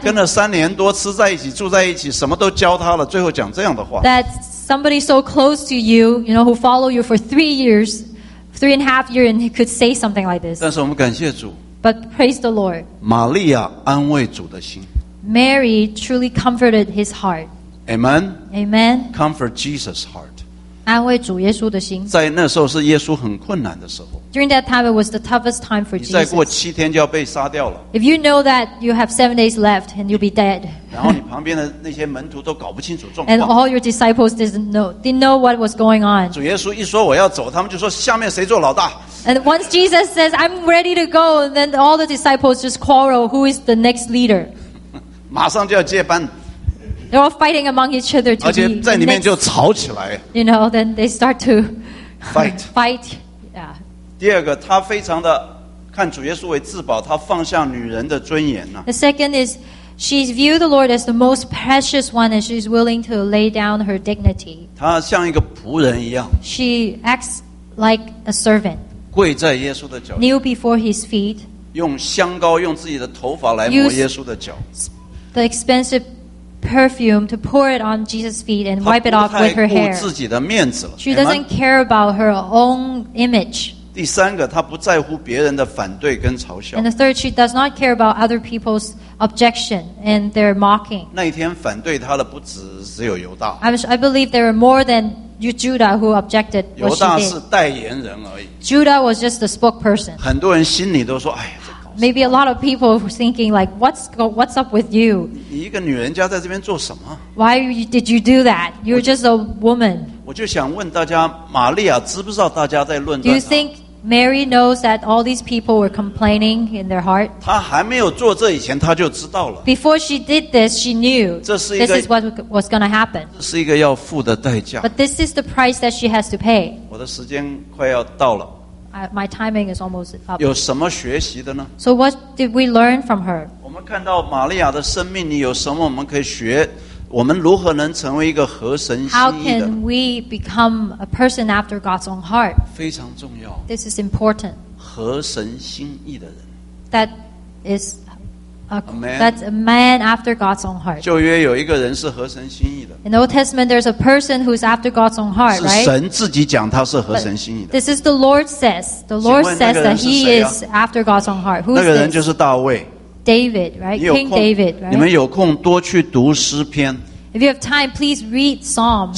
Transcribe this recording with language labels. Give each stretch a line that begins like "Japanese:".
Chinese: 跟了三年多吃在一起住在一起什么都教他了最后讲这样的话
English: That somebody so close to you, you know, who follow you for three years, three and a half years, and he could say something like this.
Chinese: 但是我们感谢主,
English: But praise the Lord.
Chinese: 玛利亚安慰主的心。
English: Mary truly comforted his heart. Amen. Amen. Comfort Jesus' heart.
Chinese: 安慰主耶稣的心。在那时候是耶稣很困难的时候。
English: During that time, it was the toughest time for Jesus.
Chinese: 你再过七天就要被杀掉了。
English: If you know that you have 7 days left and you'll be dead.
Chinese: 然后你旁边的那些门徒都搞不清楚状
English: 况。And all your disciples didn't know what was going on.
Chinese: 主耶稣一说我要走，他们就说下面谁做老大。
English: And once Jesus says, I'm ready to go, then all the disciples just quarrel who is the next leader.
Chinese: 马上就要接班。
English: They're all fighting among each other to be.
Chinese: 而且在里面就吵起来。
English: You know, then they start to fight. Fight, yeah.
Chinese: 第二个，他非常的看主耶稣为至宝，他放下女人的尊严呢。
English: The second is, she viewed the Lord as the most precious one, and she's willing to lay down her dignity.
Chinese: 她像一个仆人一样。
English: She acts like a servant.
Chinese: 跪在耶稣的脚
English: kneel before his feet
Chinese: 用香膏用自己的头发来抹耶稣的脚
English: the expensive perfume to pour it on Jesus' feet and wipe it off with her hair
Chinese: 她不太顾自己的面子了
English: she doesn't care about her own image
Chinese: 第三个她不在乎别人的反对跟嘲笑
English: and the third she does not care about other people's objection and their mocking
Chinese: 那一天反对她的不止只有犹大
English: I believe there are more thanJudah who objected what she did.
Chinese: 犹大是代言人而已。
English: Judah was just the spokesperson.
Chinese: 很多人心里都说，哎呀，这搞。
English: Maybe a lot of people were thinking like, what's up with you?
Chinese: 你一个女人家在这边做什么
English: ？Why did you do that? You're just a woman.
Chinese: 我就想问大家，玛利亚知不知道大家在论断
English: ？Do you think Mary knows that all these people were complaining in their heart?
Chinese: 她还没有做这以前，她就知道了。
English: Before she did this, she knew.
Chinese: 这是一个。
English: This is what was going to happen.
Chinese: 这是一个要付的代价。
English: But this is the price that she has to pay.
Chinese: 我的时间快要到了。
English: My timing is almost up.
Chinese: 有什么学习的呢
English: ？So what did we learn from her?
Chinese: 我们看到玛利亚的生命里有什么我们可以学？我们如何能成为一个合神心意的
English: ？How can we become a person after God's own heart?
Chinese: 非常重要。
English: This is important.
Chinese: 合神心意的人。
English: That is that's a man after God's own heart.
Chinese: 旧约有一个人是合神心意的。
English: In the Old Testament, there's a person who's after God's own heart, right?
Chinese: 是神自己讲他是合神心意的。
English: This is the Lord says. The Lord says that he is after God's own heart. Who's this?
Chinese: 那个人就是大卫。
English: David, right? King David, right?
Chinese: 你们有空多去读诗篇。
English: If you have time, please read Psalms.